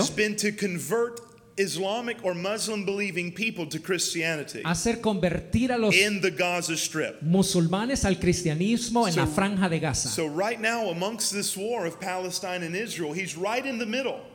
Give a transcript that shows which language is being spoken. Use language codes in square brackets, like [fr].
[en] Has been to convert Islamic or Muslim believing people to Christianity. [es] Hacer convertir a los [en] in the Gaza Strip. [es] Musulmanes al cristianismo en la franja de Gaza. [en] So right now amongst this war of Palestine and Israel, he's right in the middle.